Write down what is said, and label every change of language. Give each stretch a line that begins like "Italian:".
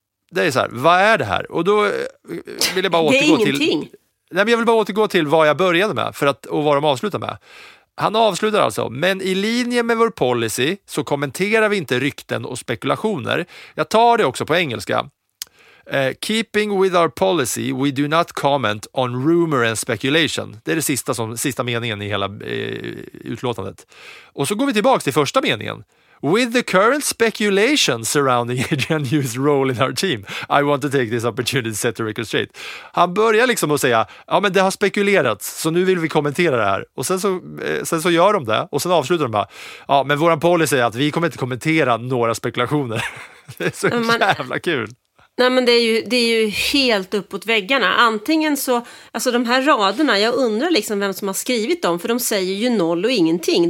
Swedish: Det är så här, vad är det här? Och då vill jag bara återgå till... Nej, men jag vill bara återgå till vad jag började med och vad de avslutar med. Han avslutar alltså, men i linje med vår policy så kommenterar vi inte rykten och spekulationer. Jag tar det också på engelska.
English: Keeping with our policy, we do not comment on rumor and speculation.
Swedish: Det är det sista meningen i hela utlåtandet. Och så går vi tillbaka till första meningen.
English: With the current speculation surrounding Adrian Newey's role in our team, I want to take this opportunity to set the record straight.
Swedish: Han börjar liksom att säga, ja men det har spekulerats, så nu vill vi kommentera det här. Och sen så gör de det, och sen avslutar de bara, ja men våran policy är att vi kommer inte kommentera några spekulationer. Det är så jävla kul. Nej, men det är ju helt uppåt väggarna. Antingen så, alltså de här raderna, jag undrar liksom vem som har skrivit dem, för de säger ju noll och ingenting.